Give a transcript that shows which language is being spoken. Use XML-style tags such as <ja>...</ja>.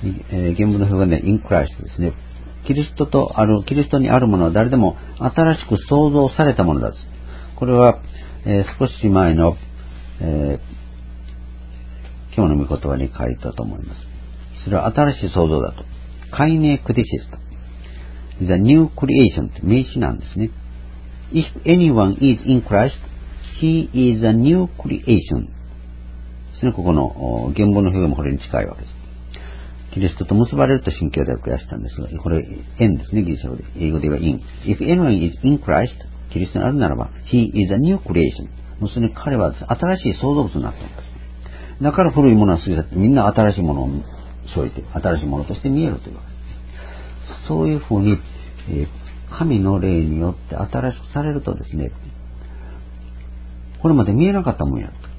<ja>原文の表現で</ja> <en>in Christ</en> <ja>ですね、キリストとある、キリストにあるものは誰でも新しく創造されたものだと。これは、少し前の、今日の御言葉に書いたと思います。それは新しい創造だと。カイネクディシスと。</ja> <en>The new creation</en> <ja>って名詞なんですね。</ja> <en>If anyone is in Christ, he is a new creation。</en> <ja>ですね、ここの原文の表現もこれに近いわけです。キリストと結ばれると新教では増やしたんですが、これ、in ですね、ギリシャ語で。英語では in。</ja> <en>If anyone is in Christ,</en> <ja>キリストにあるならば、</ja> <en>he is a new creation。</en> <ja>もうすでに彼は新しい創造物になったんです。だから古いものは過ぎ去って、みんな新しいものを生じて、新しいものとして見えるというわけです。そういうふうに、神の霊によって新しくされるとですね、これまで見えなかったもんやと。</ja>